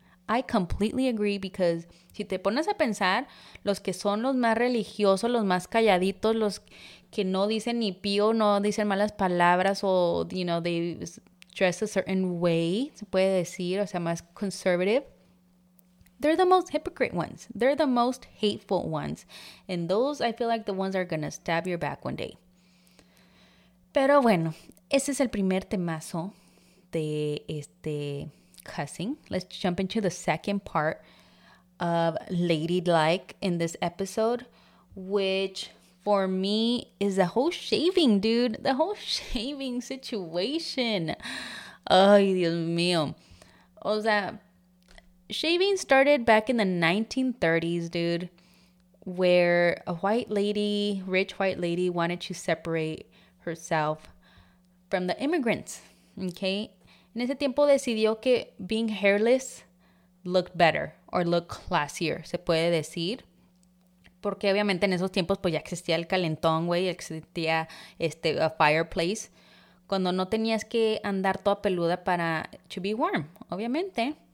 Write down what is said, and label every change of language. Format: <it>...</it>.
<en>I completely agree, because</en> <es>si te pones a pensar, los que son los más religiosos, los más calladitos, los que no dicen ni pío, no dicen malas palabras, o,</es> <en>you know, they dress a certain way,</en> <es>se puede decir, o sea, más conservative,</es> <en>they're the most hypocrite ones. They're the most hateful ones. And those, I feel like the ones are going to stab your back one day.</en> <es>Pero bueno, ese es el primer temazo de este cussing.</es> <en>Let's jump into the second part of ladylike in this episode, which for me is the whole shaving, dude. The whole shaving situation.</en> <es>Ay, Dios mío. O sea,</es> <en>shaving started back in the 1930s, dude, where a white lady, rich white lady, wanted to separate herself from the immigrants, okay?</en> <es>En ese tiempo decidió que</es> <en>being hairless looked better or looked classier,</en> <es>se puede decir. Porque obviamente en esos tiempos pues ya existía el calentón, güey, existía este</es> <en>a fireplace.</en> <es>Cuando no tenías que andar toda peluda para</es> <en>to be warm,</en> <es>obviamente.</es>